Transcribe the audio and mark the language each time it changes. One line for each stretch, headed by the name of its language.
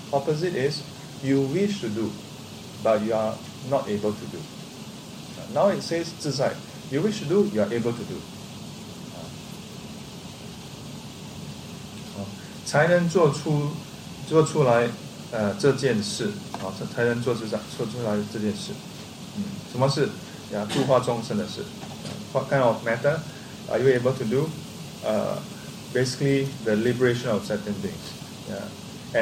English: Opposite is you wish to do, but you are not able to do. Now it says 自在, you wish to do, you are able to do.
Chinese: 才能做出来这件事，才能做出来这件事。什么是?Yeah, 度化众生的事。
English: What kind of matter are you able to do? Basically, the liberation of certain things. Yeah.